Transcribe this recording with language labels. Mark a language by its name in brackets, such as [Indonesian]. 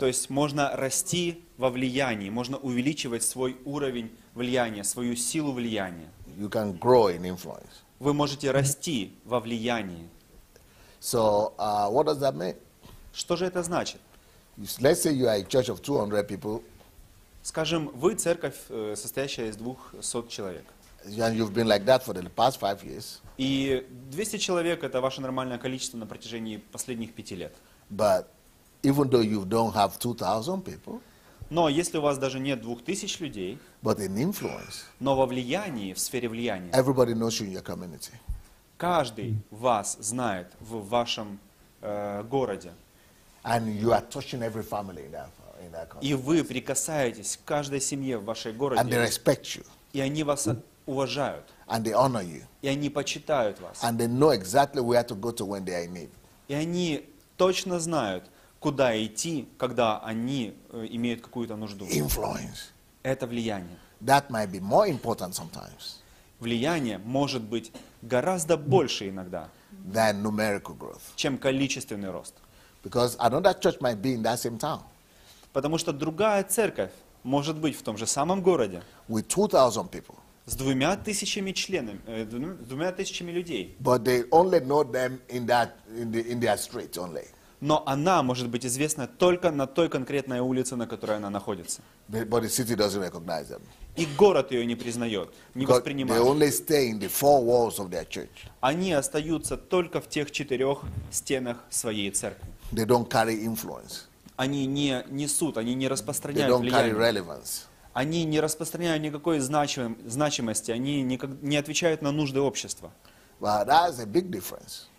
[Russian] То есть можно расти во влиянии, можно увеличивать свой уровень влияния, свою силу влияния. [English] You can grow in influence. [Russian] Вы можете расти во влиянии. [English] So, what does that mean? [Russian] Что же это значит? [English] Let's say you are a church of 200 people. [Russian] Скажем, вы церковь, состоящая из 200 человек. [English] And you've been like that for the past 5 years. [Russian] И 200 человек — это ваше нормальное количество на протяжении последних 5 лет. [English] But even though you don't have 2,000 people. [Russian] Но если у вас даже нет 2,000 людей. [English] But in influence. [Russian] Но во влиянии, в сфере влияния. [English] Everybody knows you in your community. [Russian] Каждый вас знает в вашем городе. [English] And you are touching every family in that country. [Russian] И вы прикасаетесь к каждой семье в вашей городе. [English] And they respect you. [Russian] И они вас уважают. [English] And they honor you. [Russian] И они почитают вас. [English] And they know exactly where to go to when they are in need. [Russian] И они точно знают, куда идти, когда они имеют какую-то нужду. [English] Influence. [Russian] Это влияние. [English] That might be more important sometimes. [Russian] Влияние может быть гораздо больше иногда, [English] than numerical growth. [Russian] Чем количественный рост. [English] Because another church might be in that same town. [Russian] Потому что другая церковь может быть в том же самом городе. [English] With 2,000 people. [Russian] С 2,000 членами, двумя тысячами людей. [English] But they only know them in that in their street only. [Russian] Но она может быть известна только на той конкретной улице, на которой она находится. [English] But the city doesn't recognize them. [Russian] И город ее не признает, не [English] because [Russian] воспринимает. [English] They only stay in the four walls of their church. [Russian] Они остаются только в тех 4 стенах своей церкви. [English] They don't carry influence. [Russian] Они не несут, они не распространяют влияние. [English] They don't carry relevance. [Russian] Они не распространяют никакой значимости, они не отвечают на нужды общества. [English] Well, that's a big difference.